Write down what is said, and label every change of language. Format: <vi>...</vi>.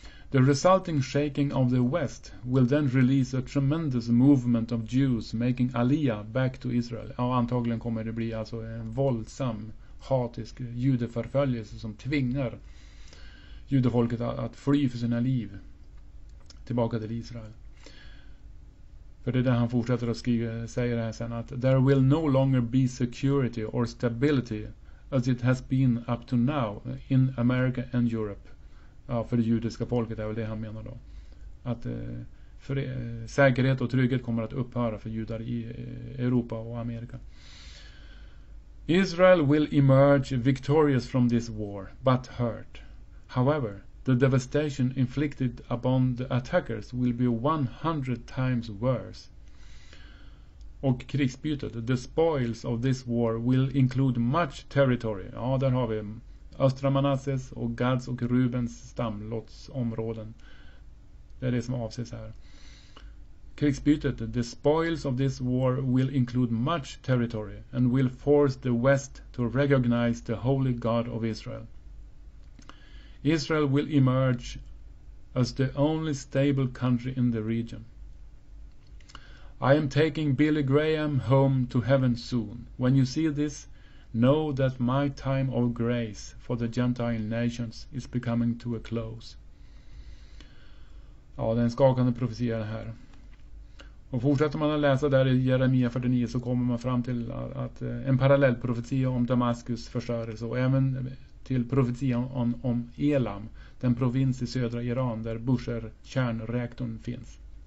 <en>The resulting shaking of the West will then release a tremendous movement of Jews making Aliyah back to Israel.</en> <sv>Ja, antagligen kommer det bli alltså en våldsam hatisk judeförföljelse som tvingar judefolket att fly för sina liv tillbaka till Israel. För det är där han fortsätter att skriva, säger det här sen, att</sv> <en>there will no longer be security or stability as it has been up to now in America and Europe.</en> <sv>Ja, för det judiska folket är väl det han menar då. Att säkerhet och trygghet kommer att upphöra för judar i Europa och Amerika.</sv> <en>Israel will emerge victorious from this war, but hurt. However, the devastation inflicted upon the attackers will be 100 times worse.</en> <sv>Och krigsbytet,</sv> <en>the spoils of this war will include much territory.</en> <sv>Ja, där har vi östra Manasses och Gads och Rubens stamlottsområden. Det är det som avses här. Krigsbytet,</sv> <en>the spoils of this war will include much territory and will force the West to recognize the holy God of Israel. Israel will emerge as the only stable country in the region. I am taking Billy Graham home to heaven soon. When you see this, know that my time of grace for the Gentile nations is becoming to a close.</en> <sv>Ja, det är en skakande profetia det här. Och fortsätter man att läsa där i Jeremia 49 så kommer man fram till att en parallell profetia om Damaskus förstörelse och även till profetia om Elam, den provins i södra Iran där Bushehr kärnreaktorn finns.</sv>